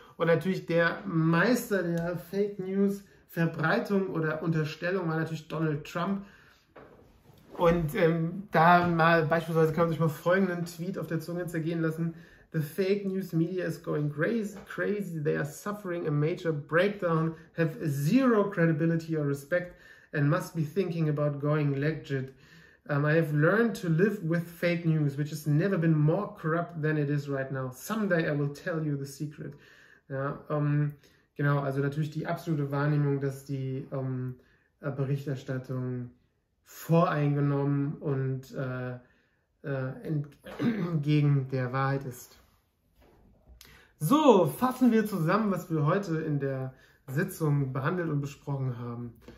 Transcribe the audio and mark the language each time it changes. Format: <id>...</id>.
<de>Und natürlich der Meister der Fake News Verbreitung oder Unterstellung war natürlich Donald Trump. Und da mal beispielsweise kann man sich mal folgenden Tweet auf der Zunge zergehen lassen:</de> <en>The fake news media is going crazy. They are suffering a major breakdown, have zero credibility or respect and must be thinking about going legit. I have learned to live with fake news, which has never been more corrupt than it is right now. Someday I will tell you the secret.</en> <de>Ja, genau, also natürlich die absolute Wahrnehmung, dass die Berichterstattung voreingenommen und entgegen der Wahrheit ist. So, fassen wir zusammen, was wir heute in der Sitzung behandelt und besprochen haben.</de>